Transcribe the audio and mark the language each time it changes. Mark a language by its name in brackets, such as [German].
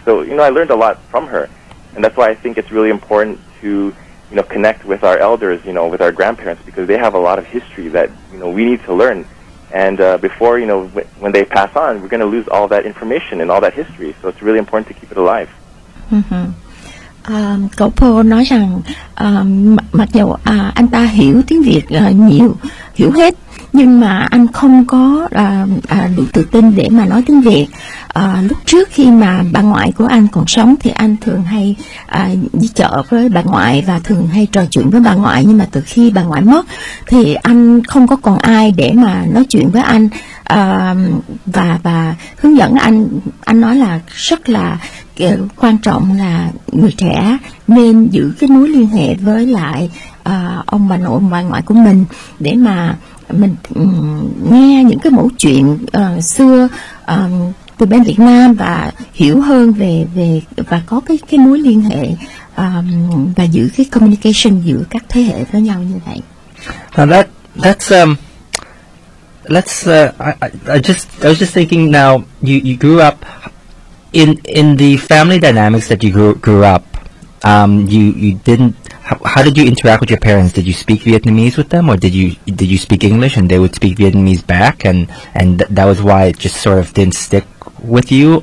[English] So, you know, I learned a lot from her, and that's why I think it's really important to, you know, connect with our elders, you know, with our grandparents, because they have a lot of history that, you know, we need to learn. And before, you know, when they pass on, we're going to lose all that information and all that history. So it's really important to keep it alive. Mm-hmm. [Vietnamese] Cậu Po nói rằng mặc dù anh ta hiểu tiếng Việt nhiều, hiểu hết, nhưng mà anh không có đủ tự tin để mà nói tiếng Việt. Lúc trước khi mà bà ngoại của anh còn sống thì anh thường hay đi chợ với bà ngoại và thường hay trò chuyện với bà ngoại, nhưng mà từ khi bà ngoại mất thì anh không có còn ai để mà nói chuyện với anh và hướng dẫn anh. Anh nói là rất là quan trọng là người trẻ nên giữ cái mối liên hệ với lại ông bà nội bà ngoại của mình, để mà mình nghe những cái mẫu chuyện xưa từ bên Việt Nam và hiểu hơn về và có cái mối liên hệ và giữ cái communication giữa các thế hệ với nhau như vậy. [English] Now I was just thinking now you grew up in the family dynamics that you grew up. How did you interact with your parents? Did you speak Vietnamese with them, or did you speak English and they would speak Vietnamese back, and that was why it just sort of didn't stick with you?